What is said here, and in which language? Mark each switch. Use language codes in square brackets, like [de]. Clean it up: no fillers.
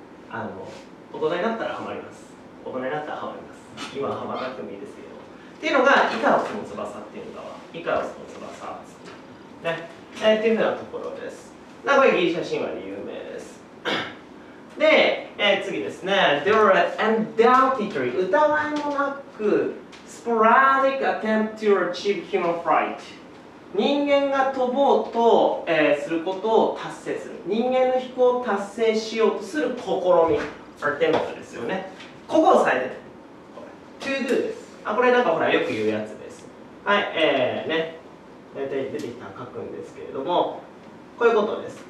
[ja] あの、大人になったらハマります。大人になったらハマります。今はハマらなくてもいいですけど。っていうのが、イカロスの翼っていうんだわ。イカロスの翼。ね、っていうふうなところです。名古屋ギリシャ神話で有名です。で、次ですね。 [en] There were undoubtedly [ja] 疑いもなく [en] sporadic attempt to achieve human flight。 [ja] 人間が飛ぼうと、することを達成する。人間の飛行を達成しようとする試み。attempt ですよね。ここを押さえてて。to do です。あ、これなんかほらよく言うやつです。はい、ね、大体出てきたら書くんですけれども、こういうことです。